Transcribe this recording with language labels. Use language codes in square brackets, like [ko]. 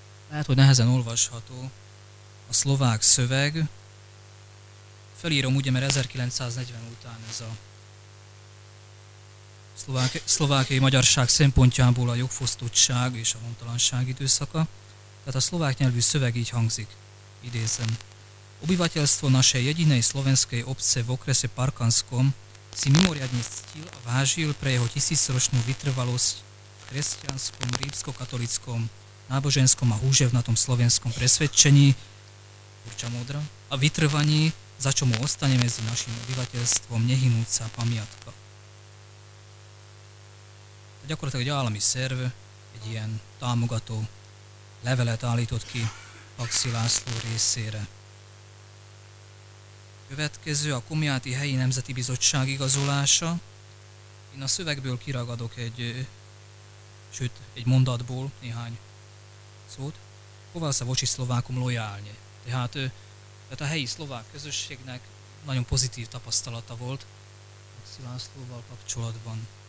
[hu] Lehet, hogy nehezen olvasható a szlovák szöveg. Felírom ugye, mert 1940 után ez a szlovákiai magyarság szempontjából a jogfosztottság és a hontalanság időszaka. Tehát a szlovák nyelvű szöveg így hangzik, idézem. [sk] Obyvateľstvo našej jedinej slovenskej obce v okrese Parkanskom si mimoriadne ctil a vážil pre jeho tisícročnú vytrvalosť v kresťanskom, rímskokatolickom, náboženskom a húževnatom slovenskom presvedčení Urča Modra a vytrvaní, za čo mu ostane medzi našim obyvateľstvom nehynúca pamiatka. [hu] A gyakorlatilag egy állami szerv, egy ilyen támogató levelet állított ki Paksi László részére. Következő a Komjáti Helyi Nemzeti Bizottság igazolása. Én a szövegből kiragadok egy mondatból néhány szót. [sk] Kovalsza voči Slovákom lojálne. [hu] Tehát a helyi szlovák közösségnek nagyon pozitív tapasztalata volt Paksi Lászlóval kapcsolatban.